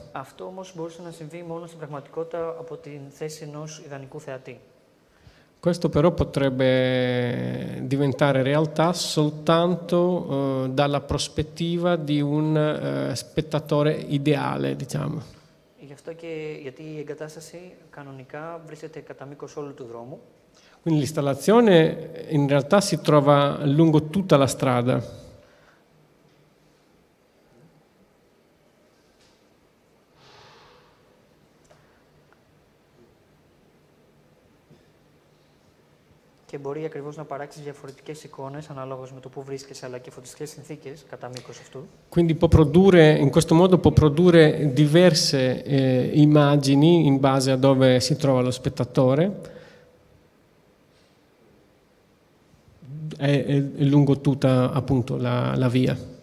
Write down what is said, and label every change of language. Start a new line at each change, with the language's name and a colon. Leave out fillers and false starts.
Greek: Αυτό όμως μπορούσε να συμβεί μόνο στην πραγματικότητα από την θέση ενός ιδανικού θεατή.
Italian: Questo però potrebbe diventare realtà soltanto dalla prospettiva di un spettatore ideale, diciamo.
Greek: Γι' αυτό και γιατί η εγκατάσταση κανονικά βρίσκεται κατά μήκος όλου του δρόμου.
Italian: Quindi l'installazione in realtà si trova lungo tutta la strada.
Greek: Και μπορεί ακριβώς να παράξει διαφορετικές εικόνες αναλόγως με το που βρίσκεσαι, αλλά και φωτιστικές συνθήκες κατά μήκος αυτού.
Italian: Quindi può produrre, in questo modo può produrre diverse immagini in base a dove si trova lo spettatore. È lungo tutta appunto la, la via.